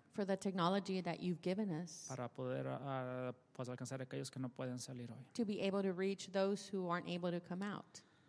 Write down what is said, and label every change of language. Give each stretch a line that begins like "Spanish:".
English: For the technology that you've given us.
Spanish: Para poder alcanzar a aquellos que no pueden salir hoy.
English: To be able to reach those who aren't able to come out.